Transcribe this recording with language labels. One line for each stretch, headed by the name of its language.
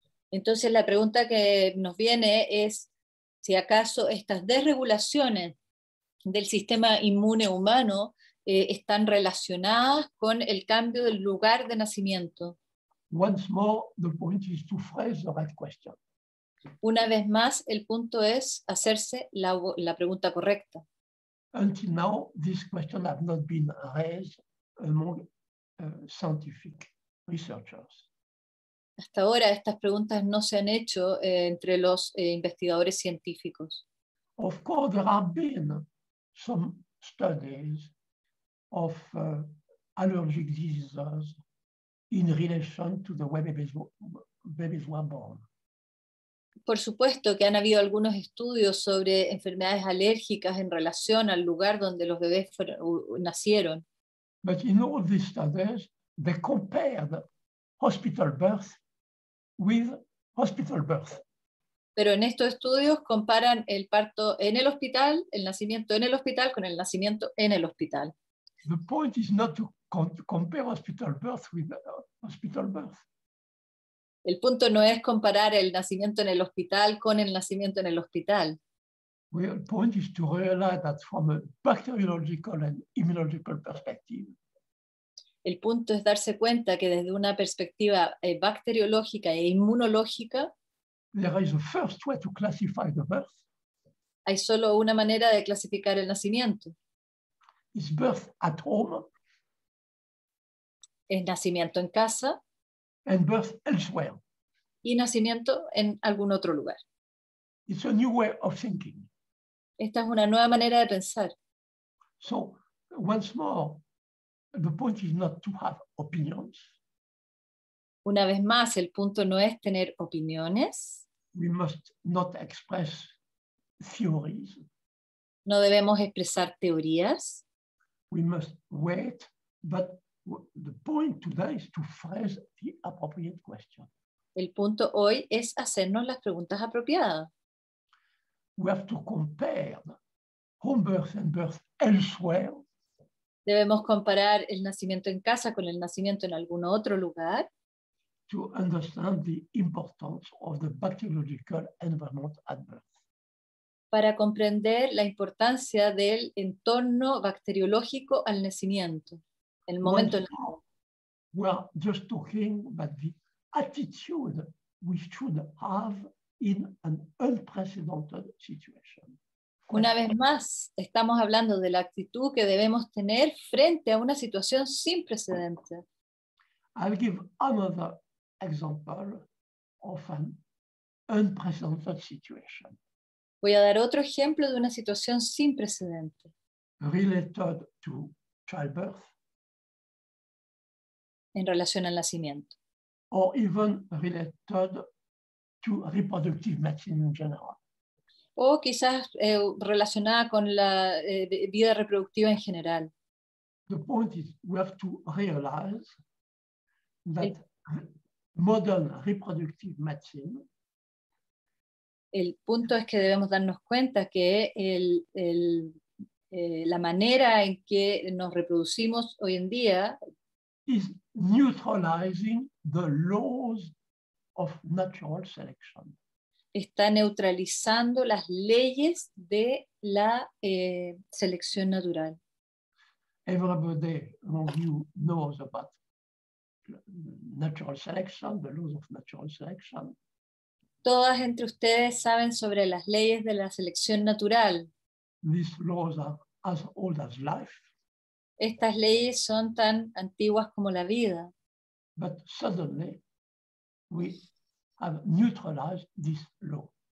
Spanish: Entonces la pregunta que nos viene es si acaso estas desregulaciones del sistema inmune humano están relacionadas con el cambio del lugar de nacimiento.
English: Once more, the point is to phrase the right question.
Spanish: Una vez más, el punto es hacerse la pregunta correcta.
English: Until now, this question has not been raised among scientific researchers.
Spanish: Hasta ahora estas preguntas no se han hecho entre los investigadores científicos.
English: Of course, there have been some studies of allergic diseases in relation to the way babies were born.
Spanish: Por supuesto que han habido algunos estudios sobre enfermedades alérgicas en relación al lugar donde los bebés nacieron.
English: But in all these studies, they compared hospital birth with hospital birth.
Spanish: Pero en estos estudios comparan el parto en el hospital, el nacimiento en el hospital con el nacimiento en el hospital.
English: The point is not to compare hospital birth with hospital birth.
Spanish: El punto no es comparar el nacimiento en el hospital con el nacimiento en el hospital.
English: Well, the point is to realize that from a bacteriological and immunological perspective.
Spanish: El punto es darse cuenta que desde una perspectiva bacteriológica e inmunológica,
English: there is a first way to classify the birth.
Spanish: Hay solo una manera de clasificar el nacimiento.
English: Is birth at home.
Spanish: Es nacimiento en casa.
English: And birth elsewhere.
Spanish: Y nacimiento en algún otro lugar.
English: It's a new way of thinking.
Spanish: Esta es una nueva manera de pensar.
English: So, once more, the point is not to have opinions.
Spanish: Una vez más, el punto no es tener opiniones.
English: We must not express theories.
Spanish: No debemos expresar teorías.
English: We must wait, but the point today is to phrase the appropriate question.
Spanish: El punto hoy es hacernos las preguntas apropiadas.
English: We have to compare home birth and birth elsewhere.
Spanish: Debemos comparar el nacimiento en casa con el nacimiento en algún otro lugar.
English: To understand the importance of the bacteriological environment at birth.
Spanish: Para comprender la importancia del entorno bacteriológico al nacimiento, el momento en el que.
English: We are just talking about the attitude we should have in an unprecedented situation.
Spanish: Una vez más, estamos hablando de la actitud que debemos tener frente a una situación sin precedentes.
English: I'll give another example of an unprecedented situation.
Spanish: Voy a dar otro ejemplo de una situación sin precedentes.
English: Related to childbirth.
Spanish: En relación al nacimiento.
English: Or even related to reproductive medicine in general.
Spanish: O quizás relacionada con la vida reproductiva en general.
English: The point is we have to realize that modern reproductive medicine.
Spanish: El punto es que debemos darnos cuenta que la manera en que nos reproducimos hoy en día
English: is neutralizing the laws of natural selection.
Spanish: Está neutralizando las leyes de la selección natural.
English: Everybody among you knows about natural selection, the laws of natural selection.
Spanish: Todas entre ustedes saben sobre las leyes de la selección natural.
English: These laws are as old as life.
Spanish: Estas leyes son tan antiguas como la vida.
English: But suddenly, we have neutralized this law.